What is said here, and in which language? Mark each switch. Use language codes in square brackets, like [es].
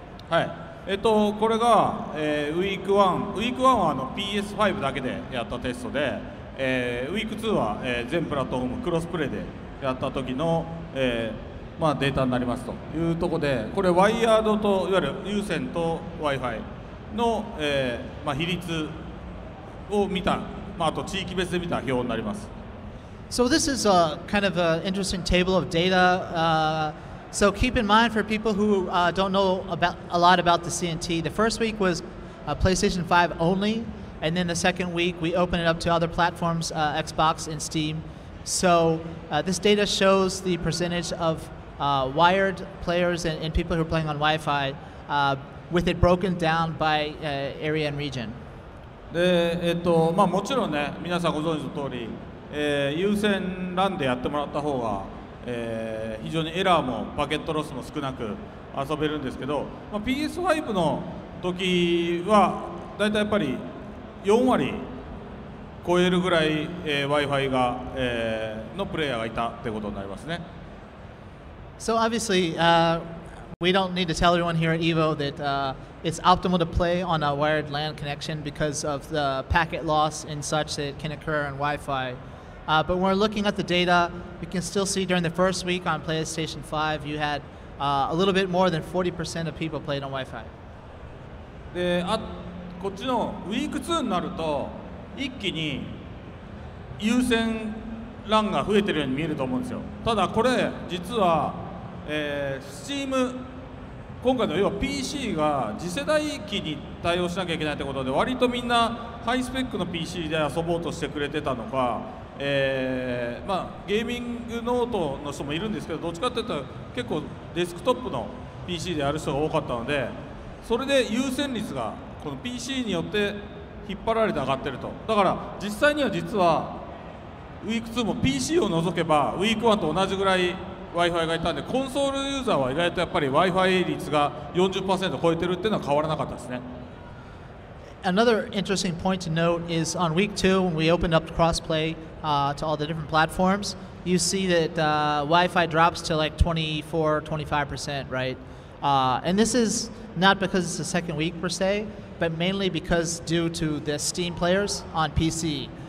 [ja] これが、ウィーク1は PS5だけでやったテストで、ウィーク2は全プラットフォームクロスプレイでやった時のまあ、データになりますというところで、これワイヤードといわゆる有線と Wi-Fi の、まあ、比率を見た、まあ、あと地域別で見た表になります。 [en] So this is a kind of an interesting table of data. So keep in mind for people who don't know about a lot about the CNT, the first week was PlayStation 5 only, and then the second week we opened it up to other platforms, Xbox and Steam. So this data shows the percentage of wired players and people who are playing on Wi-Fi with it broken down by area and region. [ja] まあ、もちろんね、皆さんご存知の通り、有線 LAN でやってもらった方が、非常にエラーもパケットロスも少なく遊べるんですけど、まあ、PS5 の時はだいたいやっぱり4割超えるぐらい、Wi-Fi が、のプレイヤーがいたってことになりますね。 [en] So obviously, we don't need to tell everyone here at Evo that it's optimal to play on a wired LAN connection because of the packet loss and such that can occur on Wi-Fi. But when we're looking at the data, you can still see during the first week on PlayStation 5, you had a little bit more than 40% of people played on Wi-Fi. [ja] で、あ、こっちのウィーク2になると、一気に有線 LAN が増えてるように見えると思うんですよ。ただこれ、実は、Steam、今回の要は PC が次世代機に対応しなきゃいけないってことで、割とみんなハイスペックの PC で遊ぼうとしてくれてたのか、まあ、ゲーミングノートの人もいるんですけど、どっちかというと結構デスクトップの PC でやる人が多かったので、それで優先率がこの PC によって引っ張られて上がってると。だから実際には実はウィーク2も PC を除けばウィーク1と同じぐらい Wi-Fi がいたんで、コンソールユーザーは意外とやっぱり Wi-Fi 率が 40% 超えてるっていうのは変わらなかったですね。 [en] Another interesting point to note is on week two, when we opened up crossplay to all the different platforms, you see that Wi-Fi drops to like 24-25%, right? And this is not because it's the second week per se, but mainly because due to the Steam players on PC.